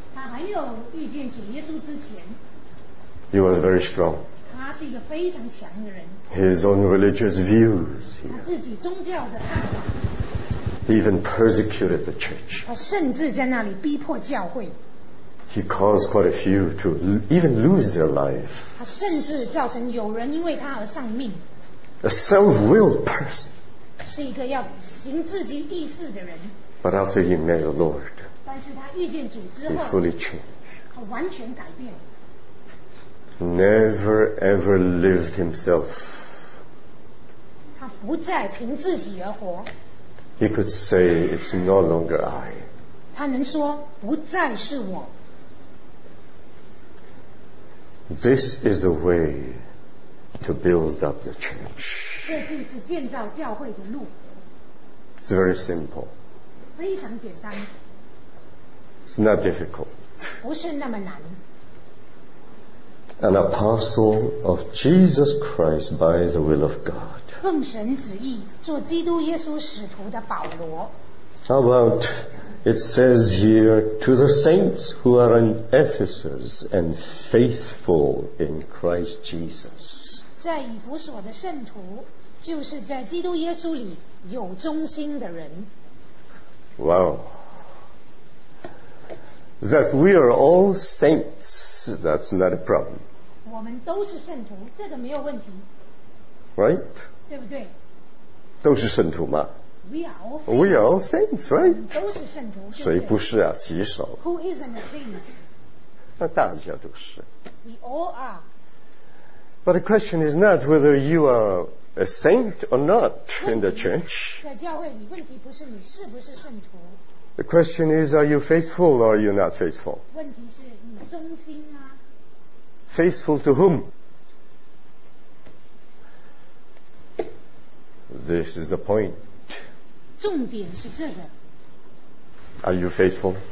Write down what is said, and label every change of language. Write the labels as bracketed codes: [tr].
[zh] 他还没有遇见主耶稣之前, [en] he was very strong. [zh] 他是一个非常强的人。 [en] His own religious views, [zh] 他自己宗教的看法。 [en] He even persecuted the church. [zh] 他甚至在那里逼迫教会。 [en] He caused quite a few to even lose their life. [zh] 他甚至造成有人因为他而丧命。 [en] A self-willed person. [zh] 是一个要行自己意思的人。 [en] But after he met the Lord, [zh] 但是他遇见主之后, [en] he fully changed. [zh] 他完全改变。 [en] Never ever lived himself. [zh] 他不再凭自己而活。 [en] He could say, it's no longer I. [zh] 他能说不再是我。 [en] This is the way to build up the church. [zh] 这就是建造教会的路。 [en] It's very simple. [zh] 非常简单。 [en] It's not difficult. [zh] 不是那么难。 [en] An apostle of Jesus Christ by the will of God. [zh] 奉神旨意做基督耶稣使徒的保罗。 [en] How about it says here to the saints who are in Ephesus and faithful in Christ Jesus. [zh] 在以弗所的圣徒，就是在基督耶稣里有忠心的人。 [en] Wow. That we are all saints, that's not a problem. [zh] 我们都是圣徒，这个没有问题。 [en] Right? [zh] 对不对？都是圣徒嘛。 [en] We are all saints, right? [zh] 都是圣徒，对不对？谁不是啊？举手。 [en] Who isn't a saint? [zh] 那大家都是。 [en] We all are. But the question is not whether you are... A saint or not in the church? [zh] 在教会里，问题不是你是不是圣徒。 [en] The question is, are you faithful or are you not faithful? [zh] 问题是你忠心吗？ [en] Faithful to whom? This is the point. [zh] 重点是这个。 [en] Are you faithful?